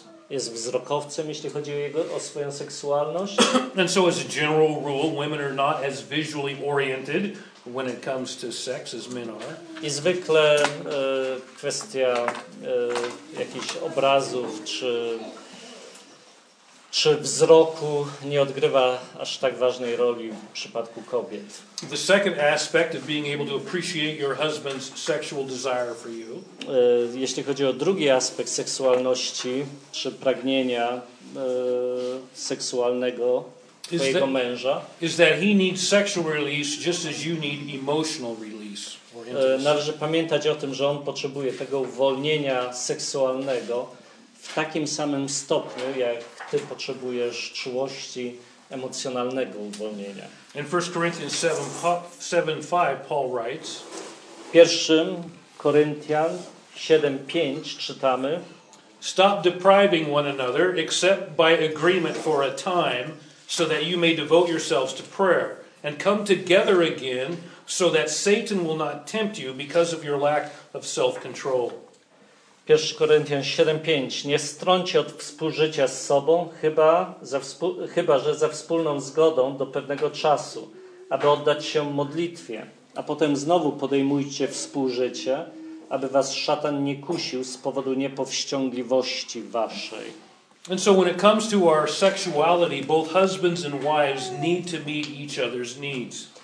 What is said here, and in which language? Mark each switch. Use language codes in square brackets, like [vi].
[pl] Jest wzrokowcem, jeśli chodzi o swoją seksualność. [en] And so as a general rule, women are not as visually oriented when it comes to sex as men are. [pl] I zwykle kwestia jakichś obrazów czy wzroku nie odgrywa aż tak ważnej roli w przypadku kobiet. [en] The second aspect of being able to appreciate your husband's sexual desire for you. [pl] Jeśli chodzi o drugi aspekt seksualności czy pragnienia seksualnego twojego męża, [en] is that he needs sexual release just as you need emotional release or intimacy. [pl] Należy pamiętać o tym, że on potrzebuje tego uwolnienia seksualnego w takim samym stopniu, jak ty potrzebujesz czułości emocjonalnego uwolnienia. [en] In 1 Corinthians 7:5 Paul writes, [pl] 1 Koryntian 7:5 czytamy: [en] Stop depriving one another except by agreement for a time so that you may devote yourselves to prayer and come together again so that Satan will not tempt you because of your lack of self-control. [pl] 1 Koryntian 7:5. Nie strąci od współżycia z sobą, chyba że ze wspólną zgodą do pewnego czasu, aby oddać się modlitwie, a potem znowu podejmujcie współżycie, aby was szatan nie kusił z powodu niepowściągliwości waszej. [en] And so when it comes to our sexuality, both husbands and wives need to meet each other's needs.